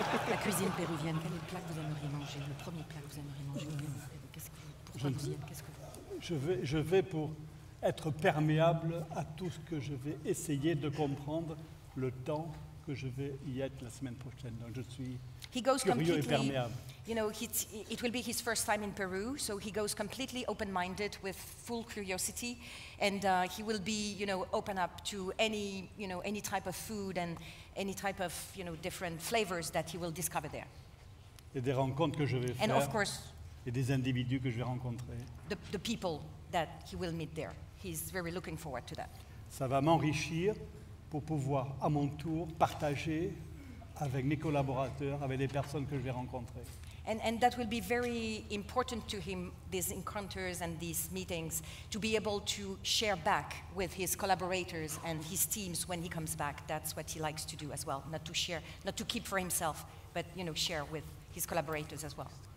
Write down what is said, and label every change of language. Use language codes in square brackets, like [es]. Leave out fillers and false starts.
[fr] La cuisine péruvienne, quel est le plat que vous aimeriez manger? Le premier plat que vous aimeriez manger? Je vais pour être perméable à tout ce que je vais essayer de comprendre le temps que je vais y être la semaine prochaine. Donc je suis curieux et perméable. [en] You know, it will be his first time in Peru, so he goes completely open-minded with full curiosity, and he will be, you know, open up to any, you know, any type of food and any type of, you know, different flavors that he will discover there. [fr] Et des rencontres que je vais faire. [en] And of course, [fr] et des individus que je vais rencontrer. [en] The people that he will meet there. He's very looking forward to that. [fr] Ça va m'enrichir pour pouvoir, à mon tour, partager avec mes collaborateurs, avec les personnes que je vais rencontrer. [en] And that will be very important to him, these encounters and these meetings, to be able to share back with his collaborators and his teams when he comes back. That's what he likes to do as well, not to share, not to keep for himself, but, you know, share with his collaborators as well.